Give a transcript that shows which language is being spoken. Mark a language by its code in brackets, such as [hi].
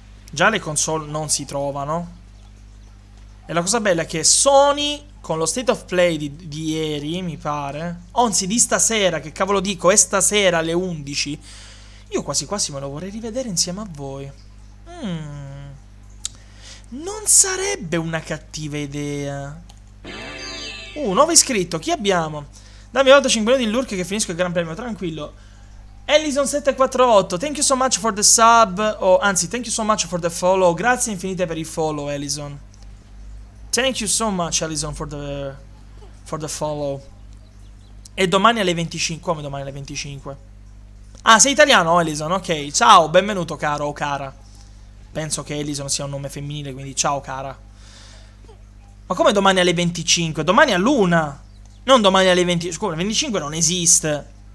[it] già le console non si trovano. E la cosa bella è che Sony, con lo State of Play di ieri, mi pare, anzi di stasera, che cavolo dico, è stasera alle 11, io quasi quasi me lo vorrei rivedere insieme a voi. Non sarebbe una cattiva idea. Nuovo iscritto, chi abbiamo? Dammi 8-5 minuti in lurk che finisco il gran premio, tranquillo. [en] Ellison 748, thank you so much for the sub, thank you so much for the follow, [it] grazie infinite per il follow, [en] Ellison. Thank you so much, Ellison, for the follow. [it] E domani alle 25, come domani alle 25? Ah, sei italiano, Ellison, ok. Ciao, benvenuto, caro o cara. Penso che Ellison sia un nome femminile, quindi ciao, cara. Ma come domani alle 25? Domani all'una. Non domani alle 25, scusa, 25 non esiste.